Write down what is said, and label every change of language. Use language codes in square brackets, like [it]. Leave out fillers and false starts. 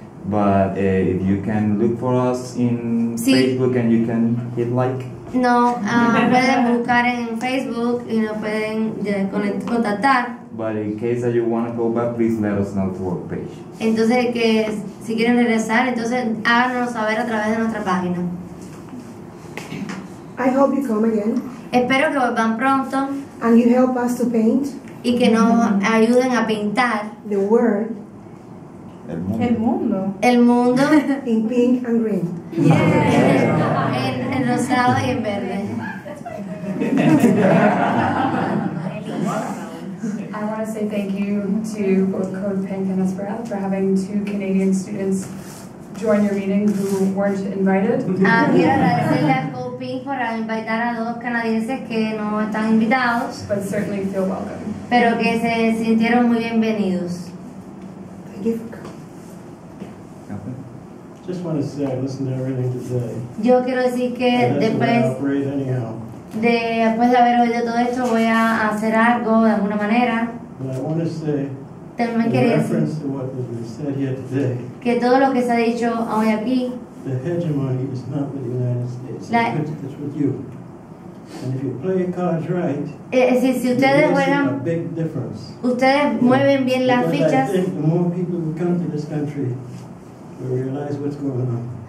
[en] But if you can look for us in [es] sí [en] Facebook and you can hit like. [es] No, pueden buscar en Facebook y nos pueden contactar. [en] But in case that you want to go back, please let us know to our page. [es] Entonces, que si quieren regresar, entonces háganos saber a través de nuestra página. [en] I hope you come again. [es] Espero que vuelvan pronto. [en] And you help us to paint. [es] Y que nos ayuden a pintar. [en] The world. [es] El mundo. [en] In pink and green. [es] Yeah. En rosado y en verde. [en] I want to say thank you to both Code Pink and Espiral for having two Canadian students join your meeting who weren't invited. [es] Quiero agradecerle a Code Pink por invitar a dos canadienses que no están invitados. [en] But certainly feel welcome. [es] Pero que se sintieron muy bienvenidos. [en] Thank you for coming. just want to say, listen to everything today. [es] Yo quiero decir que después de haber oído todo esto, voy a hacer algo de alguna manera. [en] But I want to say, [es] también quería decir [en] to what has been said here today, [es] que todo lo que se ha dicho hoy aquí, [en] the hegemony is not with the United States. It's with you. And if you play your cards right, [es] si ustedes juegan, [en] a big difference. [es] Ustedes mueven bien las fichas. [en] The more people who come to this country, will realize what's going on.